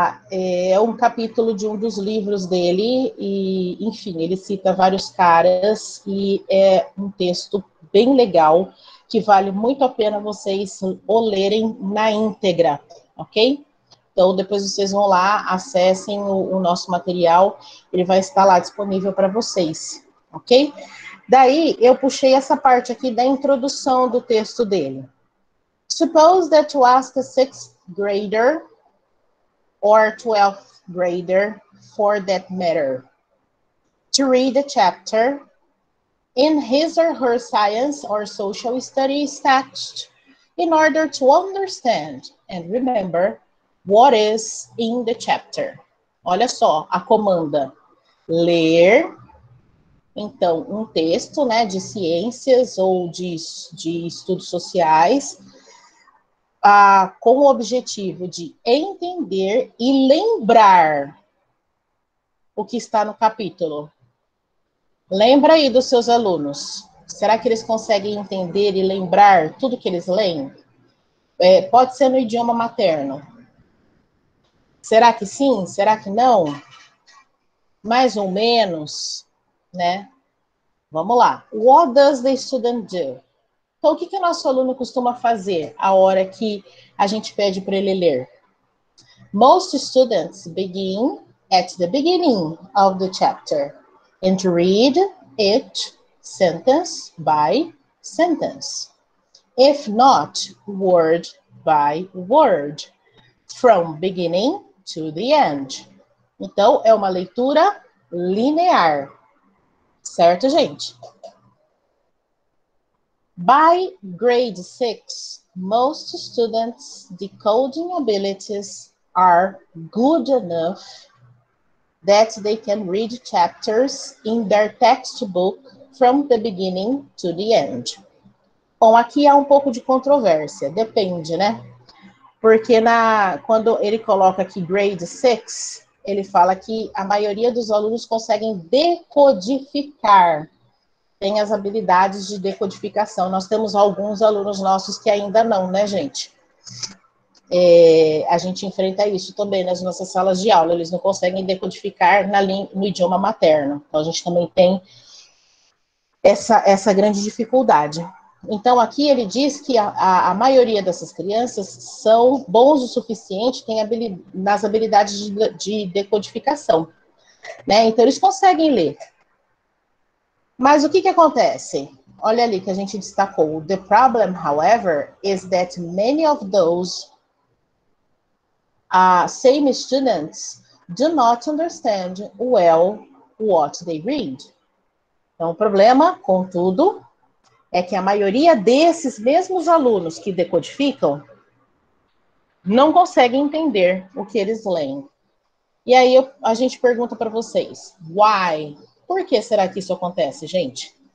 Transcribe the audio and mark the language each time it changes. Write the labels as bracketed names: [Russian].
[Portuguese] É um capítulo de um dos livros dele, e, enfim, ele cita vários caras, e é um texto bem legal, que vale muito a pena vocês o lerem na íntegra, ok? Então, depois vocês vão lá, acessem o nosso material, ele vai estar lá disponível para vocês, ok? Daí, eu puxei essa parte aqui da introdução do texto dele. [English] Suppose that you ask a sixth grader, or 12th grader, for that matter, to read a chapter in his or her science or social studies text in order to understand and remember what is in the chapter. [Portuguese] Olha só a comanda. Ler, então, um texto, né, de ciências ou de estudos sociais, com o objetivo de entender e lembrar o que está no capítulo. Lembra aí dos seus alunos. Será que eles conseguem entender e lembrar tudo que eles leem? Pode ser no idioma materno. Será que sim? Será que não? Mais ou menos, né? Vamos lá. [English] What does the student do? [Portuguese] Então, o que o nosso aluno costuma fazer a hora que a gente pede para ele ler? [English] Most students begin at the beginning of the chapter and read it sentence by sentence. If not, word by word, from beginning to the end. [Portuguese] Então, é uma leitura linear. Certo, gente? [English] By grade 6, most students' decoding abilities are good enough that they can read chapters in their textbook from the beginning to the end. [Portuguese] Bom, aqui há um pouco de controvérsia, depende, né? Porque quando ele coloca aqui [English] grade 6, [Portuguese] ele fala que a maioria dos alunos conseguem decodificar. Tem as habilidades de decodificação. Nós temos alguns alunos nossos que ainda não, né, gente? A gente enfrenta isso também nas nossas salas de aula. Eles não conseguem decodificar no idioma materno. Então, a gente também tem essa grande dificuldade. Então, aqui ele diz que a maioria dessas crianças são bons o suficiente, tem nas habilidades de decodificação, né? Então, eles conseguem ler. Mas o que acontece? Olha ali que a gente destacou. [English] The problem, however, is that many of those same students do not understand well what they read. [Portuguese] Então, o problema, contudo, é que a maioria desses mesmos alunos que decodificam não conseguem entender o que eles leem. E aí a gente pergunta para vocês, [English] why? [Portuguese] Por que será que isso acontece, gente?